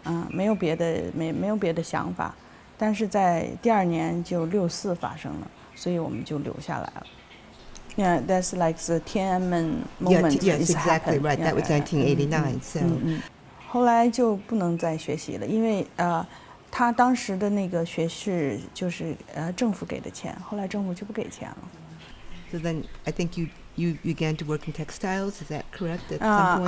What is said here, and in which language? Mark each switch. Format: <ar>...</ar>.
<zh>就是当时我离开中国其实就是陪读嘛，就是陪我先生就是陪那王功新去读书什么的，没有别的想法。但是在第二年就六四发生了, 所以我们就留下来了。</zh> <en>Yeah, that's like the Tiananmen moment. Yes, exactly right. Yeah, that was 1989. Yeah. So,</en> <zh>后来就不能再学习了, 因为他当时的那个学士就是政府给的钱, 后来政府就不给钱了。</zh> <en>So then I think you began to work in textiles, is that correct at some point?</en>